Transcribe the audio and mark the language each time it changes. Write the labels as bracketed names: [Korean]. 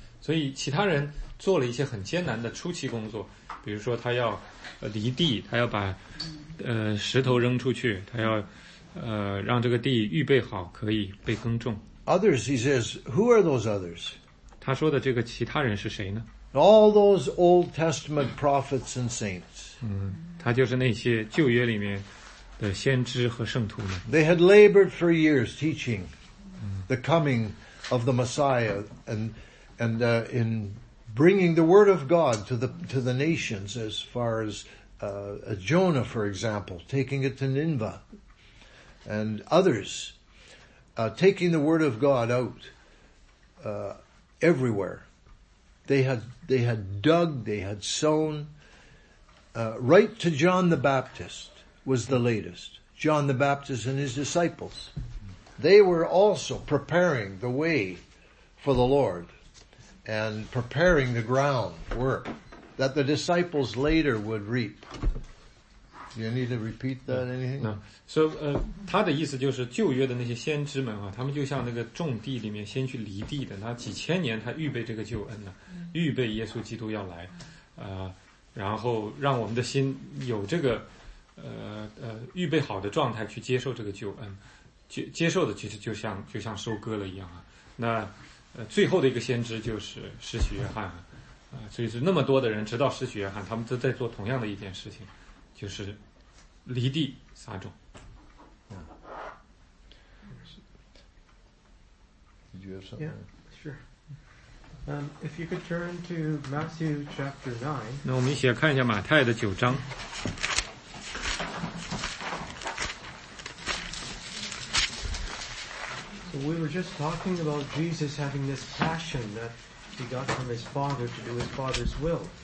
[Chinese] 所以其他人做了一些很艰难的初期工作，比如说他要犁地，他要把石头扔出去，他要让这个地预备好可以被耕种。 [English] Others, he says, who are those others? [Chinese] 他说的这个其他人是谁呢？ [English] All those Old Testament prophets and saints. [Chinese] 他就是那些旧约里面的先知和圣徒们。 [English] They had labored for years teaching the coming of the Messiah and in bringing the word of God to the nations, as far as Jonah, for example, taking it to Nineveh and others, taking the word of God out everywhere. They had dug, they had sown, right to John the Baptist was the latest. John the Baptist and his disciples. They were also preparing the way for the Lord and preparing the groundwork that the disciples later would reap. Do you need to repeat that, anything? No. [Chinese] So, 他的意思就是旧约的那些先知们啊，他们就像那个种地里面先去犁地的，那几千年他预备这个救恩呢，预备耶稣基督要来，然后让我们的心有这个预备好的状态去接受这个救恩，接受的其实就像收割了一样啊。那最后的一个先知就是施洗约翰啊，所以是那么多的人直到施洗约翰，他们都在做同样的一件事情，就是犁地撒种。 [English] Did you have something? Yeah, sure. If you could turn to Matthew chapter 9. [Chinese] 那我们一起来看一下马太的九章。 [English] So we were just talking about Jesus having this passion that he got from his father to do his father's will.